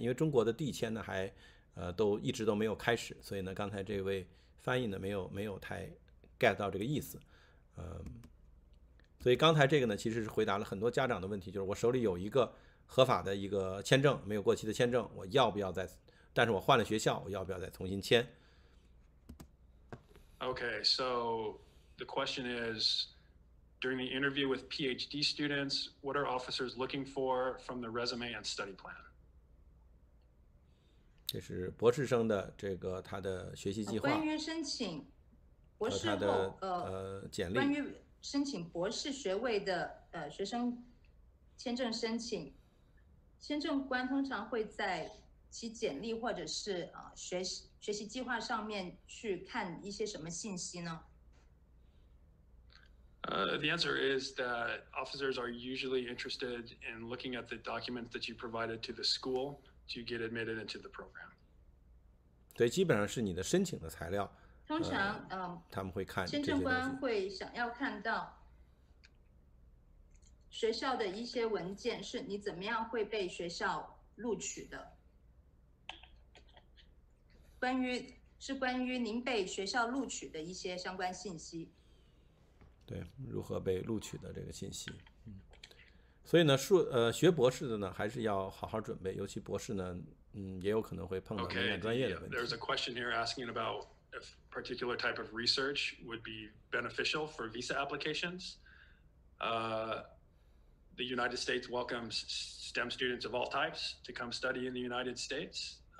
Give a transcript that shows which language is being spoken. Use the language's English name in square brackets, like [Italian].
[Chinese] 因为中国的递签呢还都一直都没有开始，所以呢，刚才这位翻译呢没有太 get 到这个意思，所以刚才这个呢其实是回答了很多家长的问题，就是我手里有一个合法的一个签证，没有过期的签证，我要不要再？但是我换了学校，我要不要再重新签 [English] ？Okay, so. The question is, during the interview with PhD students, what are officers looking for from the resume and study plan? [Chinese] 这是博士生的这个他的学习计划。关于申请博士后简历。关于申请博士学位的学生签证申请，签证官通常会在其简历或者是学习计划上面去看一些什么信息呢？ [English] The answer is that officers are usually interested in looking at the documents that you provided to the school to get admitted into the program. [Chinese] 对，基本上是你的申请的材料。通常，他们会看签证官会想要看到学校的一些文件，是你怎么样会被学校录取的。关于您被学校录取的一些相关信息。对，如何被录取的这个信息，所以呢，学博士的呢，还是要好好准备，尤其博士呢，也有可能会碰到敏感专业的问题。 [English] There's a question here asking about if a particular type of research would be beneficial for visa applications. The United States welcomes STEM students of all types to come study in the United States.